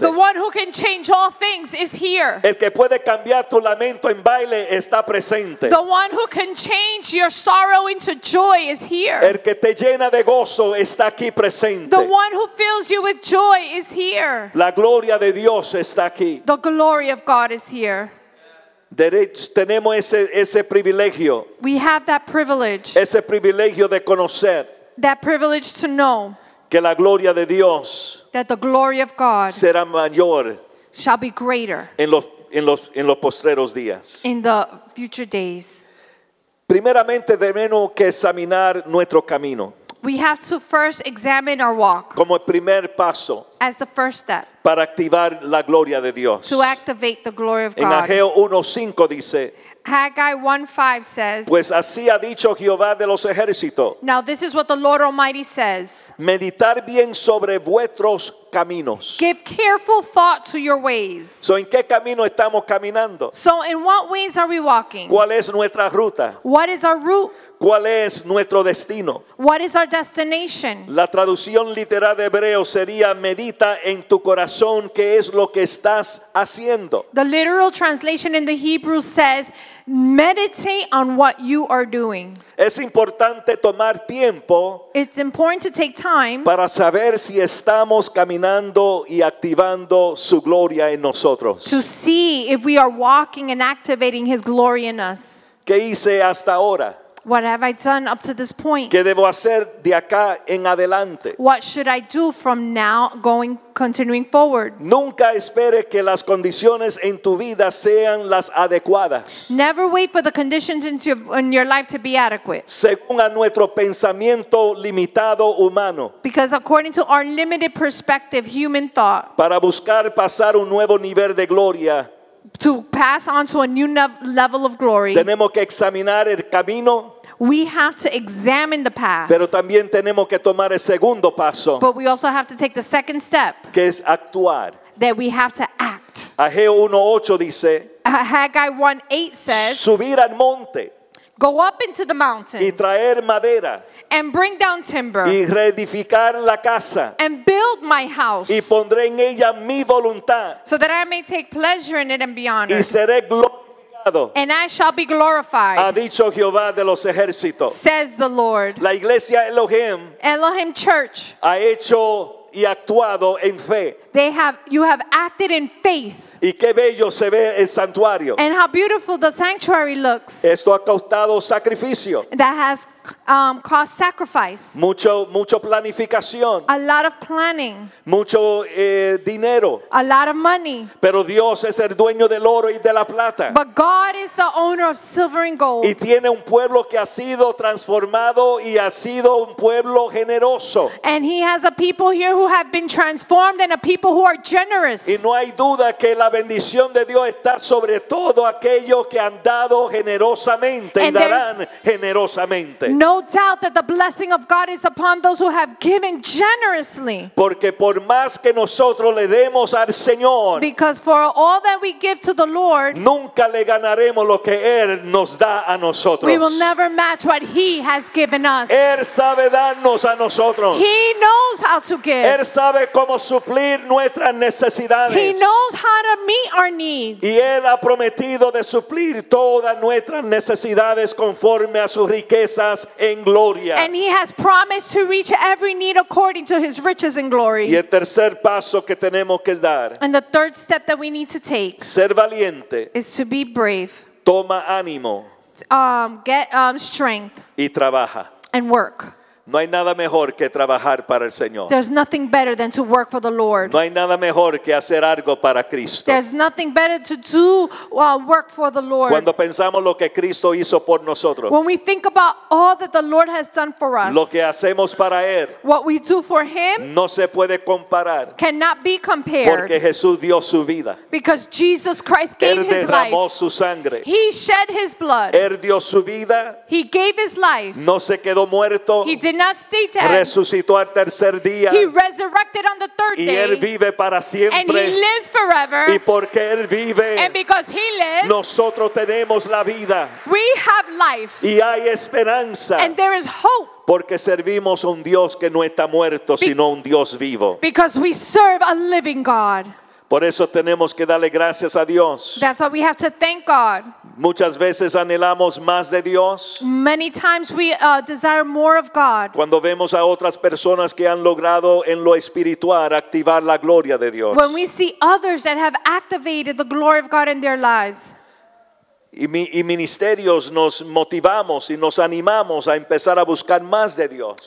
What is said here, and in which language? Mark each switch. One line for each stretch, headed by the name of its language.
English: The one who can change all things is here.
Spanish: El que puede cambiar tu lamento en baile está presente.
English: The one who can change your sorrow into joy is here.
Spanish: El que te llena de gozo está aquí presente.
English: The one who fills you with joy is here.
Spanish: La gloria de Dios está aquí.
English: The glory of God is here.
Spanish: Tenemos ese privilegio.
English: We have that privilege.
Spanish: Ese privilegio de conocer.
English: That privilege to know.
Spanish: Que la gloria de Dios,
English: that the glory of God,
Spanish: será mayor,
English: shall be greater,
Spanish: en los postreros días,
English: in the future days.
Spanish: Primeramente debemos que examinar nuestro camino.
English: We have to first examine our walk,
Spanish: como el primer paso,
English: as the first step,
Spanish: para activar la gloria de Dios,
English: to activate the glory of God.
Spanish: En Ageo 1:5 dice,
English: Haggai 1:5 says,
Spanish: pues así ha dicho Jehová de los ejércitos.
English: Now this is what the Lord Almighty says.
Spanish: Meditar bien sobre vuestros caminos.
English: Give careful thought to your ways.
Spanish: So ¿en qué camino estamos caminando?
English: So in what ways are we walking?
Spanish: ¿Cuál es nuestra ruta?
English: What is our route?
Spanish: ¿Cuál es nuestro destino?
English: What is our destination?
Spanish: La traducción literal de hebreo sería medita en tu corazón qué es lo que estás haciendo.
English: The literal translation in the Hebrew says meditate on what you are doing.
Spanish: Es importante tomar tiempo.
English: It's important to take time
Spanish: para saber si estamos caminando y activando su gloria en nosotros.
English: To see if we are walking and activating his glory in us.
Spanish: ¿Qué hice hasta ahora?
English: What have I done up to this point?
Spanish: ¿Qué debo hacer de acá en adelante?
English: What should I do from now going continuing forward?
Spanish: Nunca espere que las condiciones en tu vida sean las adecuadas.
English: Never wait for the conditions in your life to be adequate.
Spanish: Según a nuestro pensamiento limitado humano.
English: Because according to our limited perspective, human thought.
Spanish: Para buscar pasar un nuevo nivel de gloria.
English: To pass on to a new level of glory.
Spanish: Tenemos que examinar el camino.
English: We have to examine the path.
Spanish: Pero también tenemos que tomar el segundo paso.
English: But we also have to take the second step.
Spanish: Que es actuar.
English: That we have to act.
Spanish: Ageo 1:8 dice.
English: Haggai 1:8 says.
Spanish: Subir al monte.
English: Go up into the mountains.
Spanish: Y traer madera.
English: And bring down timber.
Spanish: Y reedificar la casa.
English: And build my house.
Spanish: Y pondré en ella mi voluntad.
English: So that I may take pleasure in it and be honored.
Spanish: Y seré glorificado.
English: And I shall be glorified.
Spanish: Ha dicho Jehová de los ejércitos.
English: Says the Lord.
Spanish: La iglesia Elohim.
English: Elohim Church.
Spanish: Ha hecho y actuado en fe.
English: You have acted in faith.
Spanish: Y qué bello se ve el santuario.
English: And how beautiful the sanctuary looks.
Spanish: Esto ha costado sacrificio.
English: That has cost sacrifice.
Spanish: Mucho planificación.
English: A lot of planning.
Spanish: Mucho dinero.
English: A lot of money.
Spanish: Pero Dios es el dueño del oro y de la plata.
English: But God is the owner of silver and gold.
Spanish: Y tiene un pueblo que ha sido transformado y ha sido un pueblo generoso.
English: And he has a people here who have been transformed and a people who are generous.
Spanish: Y no hay duda que la bendición de Dios está sobre todo aquellos que han dado generosamente
English: and
Spanish: y darán generosamente.
English: No doubt that the blessing of God is upon those who have given generously.
Spanish: Porque por más que nosotros le demos al Señor,
English: because for all that we give to the Lord,
Spanish: nunca le ganaremos lo que Él nos da a nosotros.
English: We will never match what He has given us.
Spanish: Él sabe darnos a nosotros.
English: He knows how to give.
Spanish: Él sabe cómo suplir nuestras necesidades.
English: He knows how to meet our needs.
Spanish: Y Él ha prometido de suplir todas nuestras necesidades conforme a sus riquezas en gloria.
English: And He has promised to reach every need according to His riches in glory.
Spanish: Y el tercer paso que tenemos que dar,
English: and the third step that we need to take,
Spanish: ser valiente,
English: is to be brave.
Spanish: Toma ánimo.
English: Get strength.
Spanish: Y trabaja.
English: And work.
Spanish: No hay nada mejor que trabajar para el Señor.
English: There's nothing better than to work for the Lord.
Spanish: No hay nada mejor que hacer algo para Cristo.
English: There's nothing better to do work for the Lord.
Spanish: Cuando pensamos lo que Cristo hizo por nosotros.
English: When we think about all that the Lord has done for us.
Spanish: Lo que hacemos para Él.
English: What we do for Him.
Spanish: No se puede comparar.
English: Cannot be compared.
Spanish: Porque Jesús dio su vida.
English: Because Jesus Christ gave His life.
Spanish: Él derramó su sangre.
English: He shed His blood.
Spanish: Él dio su vida.
English: He gave His life.
Spanish: No se quedó muerto.
English: He did not stay dead.
Spanish: Resucitó al tercer día.
English: He resurrected on the third
Spanish: y él vive para siempre.
English: And He lives forever.
Spanish: Y porque él vive,
English: and because He lives,
Spanish: nosotros tenemos la vida.
English: We have life.
Spanish: Y hay esperanza.
English: And there is hope.
Spanish: Porque servimos un Dios que no está muerto, sino un Dios vivo.
English: Because we serve a living God.
Spanish: Por eso tenemos que darle gracias a Dios.
English: That's why we have to thank God.
Spanish: Muchas veces anhelamos más de Dios.
English: Many times we desire more of God.
Spanish: Cuando vemos a otras personas que han logrado en lo espiritual activar la gloria de Dios.
English: When we see others that have activated the glory of God in their lives.
Spanish: Y ministerios nos motivamos y nos animamos a empezar a buscar más de Dios.